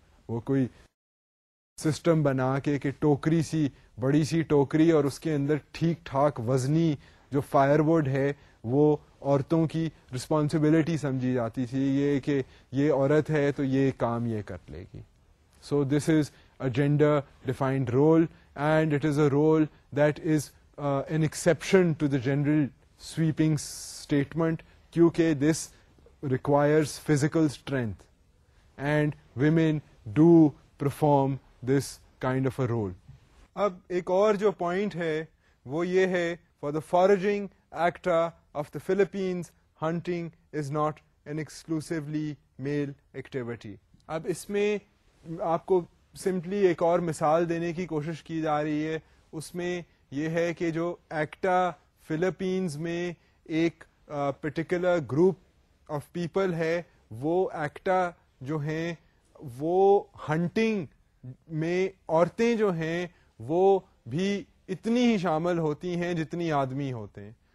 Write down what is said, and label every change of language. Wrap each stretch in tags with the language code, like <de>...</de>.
<ur>وہ کوئی system بنا کے کہ ٹوکری سی, بڑی سی ٹوکری اور اس کے اندر ٹھیک ٹھاک وزنی جو firewood ہے وہ عورتوں کی responsibility سمجھی جاتی تھی, یہ کہ یہ عورت ہے تو یہ کام یہ کر لے گی.</ur> <en>So this is a gender defined role. And it is a role that is an exception to the general sweeping statement, because this requires physical strength. And women do perform this kind of a role.</en> <ur>Ab ek aur jo point hai, wo ye hai,</ur> <en>for the foraging actor of the Philippines, hunting is not an exclusively male activity.</en> <ur>Ab isme aapko</ur> <en>simply</en> <ur>ایک اور مثال دینے کی کوشش کی جا رہی ہے, اس میں یہ ہے کہ جو ایکٹا فلپینز میں</ur> <en>ایک particular group of people</en> <ur>ہے, وہ ایکٹا جو ہیں وہ ہنٹنگ میں عورتیں جو ہیں وہ بھی اتنی ہی شامل ہوتی ہیں جتنی آدمی ہوتے ہیں.</ur>